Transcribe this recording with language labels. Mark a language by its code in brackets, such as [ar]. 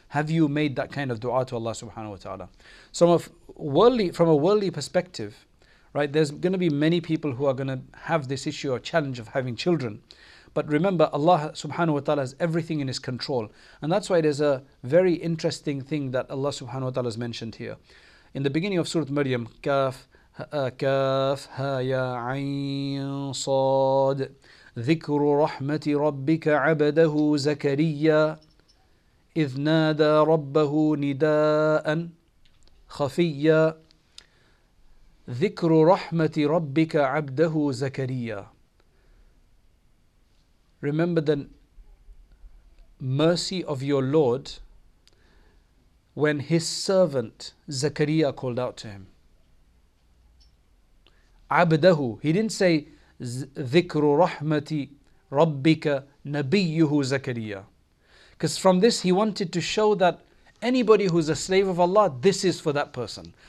[en] Have you made that kind of dua to Allah subhanahu wa ta'ala? So from a worldly perspective, right, there's going to be many people who are going to have this issue or challenge of having children. But remember, Allah subhanahu wa ta'ala has everything in his control. And that's why there's a very interesting thing that Allah subhanahu wa ta'ala has mentioned here. In the beginning of Surah Maryam, Kaf, Kaf, Ha, Ya, Ayn, Sad, [ar] ذكر رحمة ربك عبده زكريا إذ نادى ربه نداء خفيا ذكر رحمة ربك عبده زكريا. [en] Remember the mercy of your Lord when his servant Zakaria called out to him. عبده, he didn't say [ar] ذكر رحمة ربك نبيه زكريا, [en] because from this he wanted to show that anybody who's a slave of Allah, this is for that person.